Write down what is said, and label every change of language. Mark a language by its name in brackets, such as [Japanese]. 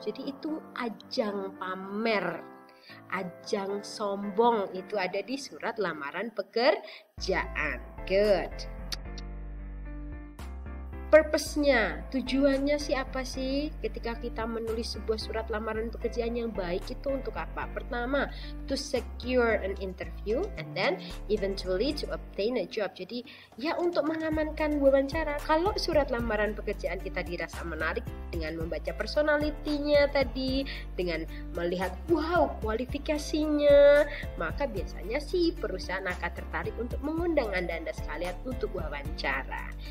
[Indonesian] Jadi itu ajang pamer, ajang sombong, itu ada di surat lamaran pekerjaan. Good. Purpose-nya, tujuannya sih apa sih ketika kita menulis sebuah surat lamaran pekerjaan yang baik itu untuk apa? [English] Pertama, to secure an interview and then eventually to obtain a job. [Indonesian] Jadi ya untuk mengamankan wawancara. Kalau surat lamaran pekerjaan kita dirasa menarik dengan membaca personality-nya tadi, dengan melihat wow kualifikasinya, maka biasanya sih perusahaan akan tertarik untuk mengundang Anda-Anda sekalian untuk wawancara.